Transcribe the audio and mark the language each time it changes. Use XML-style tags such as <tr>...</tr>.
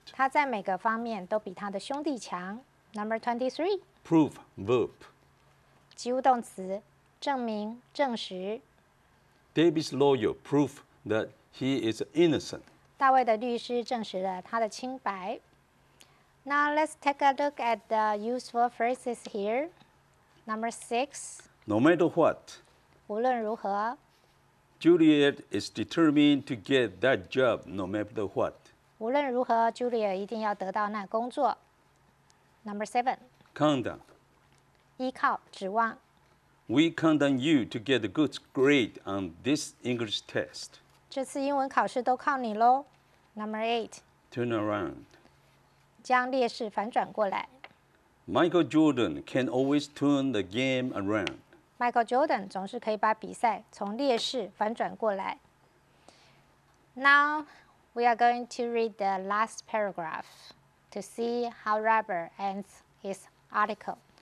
<zh>她在每个方面都比她的兄弟强。</zh> <en>Number 23. Prove, verb.</en> <zh>及物动词，证明、证实。</zh> <en>David's lawyer proved that he is innocent.</en> <zh>大卫的律师证实了他的清白。</zh> <en>Now let's take a look at the useful phrases here. Number six. No matter what.</en> <zh>无论如何。</zh> <en>Juliet is determined to get that job no matter what.</en> <zh>无论如何 ,Juliet 一定要得到那工作。</zh> <en>Number seven. Count on.</en> <zh>依靠指望。</zh> <en>We count on you to get a good grade on this English test.</en> <zh>这次英文考试都靠你咯。</zh> <en>Number eight. Turn around.</en> <zh>将劣势反转过来。</zh> <en>Michael Jordan can always turn the game around.</en> <zh>Michael Jordan 总是可以把比赛从劣势反转过来。</zh> <en>Now, we are going to read the last paragraph to see how Robert ends his article.</en>